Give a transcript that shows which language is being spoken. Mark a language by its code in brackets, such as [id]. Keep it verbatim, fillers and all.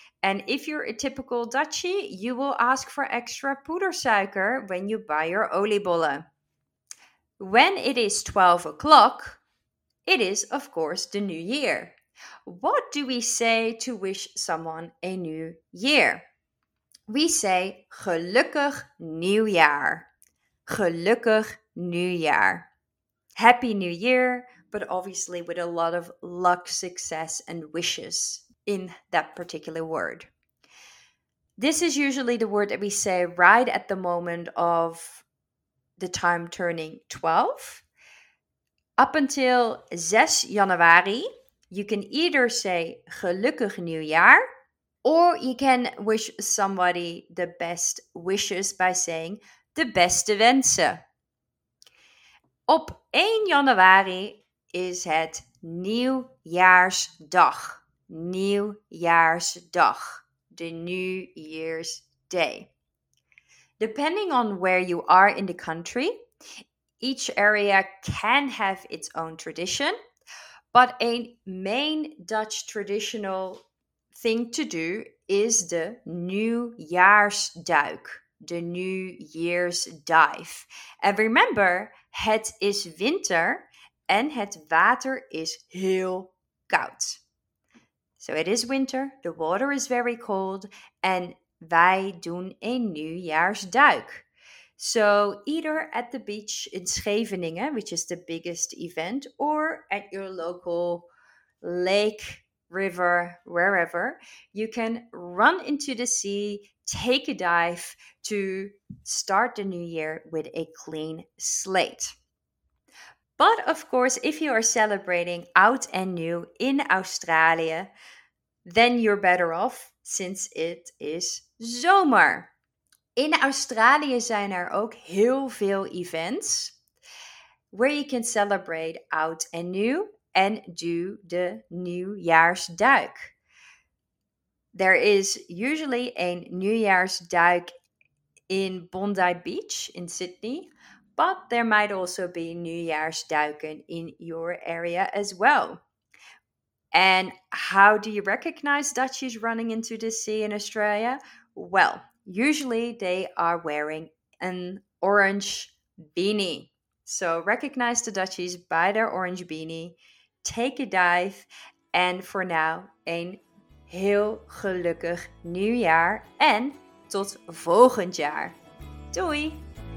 [en] And if you're a typical Dutchie, you will ask for extra poedersuiker when you buy your oliebollen. When it is twelve o'clock, it is, of course, the new year. What do we say to wish someone a new year? We say [nl] gelukkig nieuwjaar. Gelukkig nieuwjaar. [en] Happy New Year, but obviously with a lot of luck, success, and wishes in that particular word. This is usually the word that we say right at the moment of the time turning twelve. Up until [nl] zes januari, [en] you can either say [nl] gelukkig nieuwjaar [en] Or you can wish somebody the best wishes by saying [nl] de beste wensen. Op één januari is het Nieuwjaarsdag. [en] Nieuwjaarsdag. The New Year's Day. Depending on where you are in the country, each area can have its own tradition, but a main Dutch traditional thing to do is the nieuwjaarsduik, the New Year's dive. And remember, [nl] het is winter en het water is heel koud. [en] So it is winter, the water is very cold, and [nl] wij doen een nieuwjaarsduik. [en] So either at the beach in Scheveningen, which is the biggest event, or at your local lake, river, wherever, you can run into the sea, take a dive to start the new year with a clean slate. But of course, if you are celebrating oud and new in Australia, then you're better off since it is [nl] zomer. In Australië zijn er ook heel veel [en] events where you can celebrate oud and new and do the nieuwjaarsduik. There is usually a nieuwjaarsduik in Bondi Beach in Sydney, but there might also be nieuwjaarsduiken in your area as well. And how do you recognize Dutchies running into the sea in Australia? Well, usually they are wearing an orange beanie. So recognize the Dutchies by their orange beanie. Take a dive. [nl] En voor nu een heel gelukkig nieuwjaar. En tot volgend jaar. Doei!